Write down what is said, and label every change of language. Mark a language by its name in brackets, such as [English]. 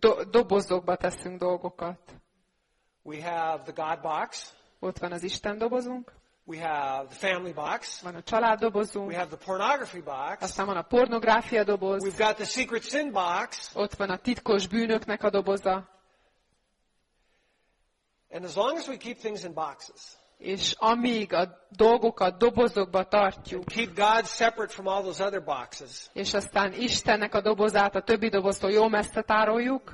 [Hungarian] Dobozokba teszünk dolgokat. [English] We have the God box. [Hungarian] Ott van az Isten dobozunk. [English] We have the family box. [Hungarian] Van a család dobozunk. [English] We have the pornography box. [Hungarian] Aztán van a pornográfia doboz. [English] We've got the secret sin box. [Hungarian] Ott van a titkos bűnöknek a doboza. [English] And as long as we keep things in boxes. [Hungarian] És amíg a dolgokat dobozokba tartjuk, [English] keep God separate from all those other boxes, [Hungarian] és aztán Istennek a dobozát a többi doboztól jó messze tároljuk,